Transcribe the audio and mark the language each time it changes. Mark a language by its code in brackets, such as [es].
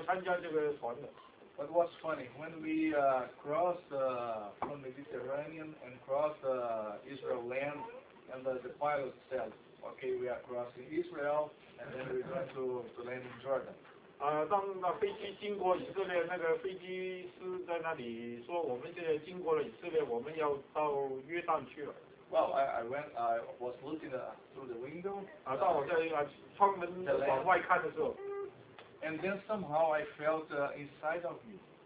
[en] But what's funny, when we crossed from the Mediterranean and crossed Israel land, and the pilot said, okay, we are crossing Israel, and then we're going to land in Jordan. [zh] 当那飞机经过以色列，那个飞机师在那里说，我们现在经过了以色列，我们要到约旦去了。 [en] Well, I went, I was looking through the window. [zh] 当我在窗门往外看的时候。 [en] And then somehow I felt inside of me.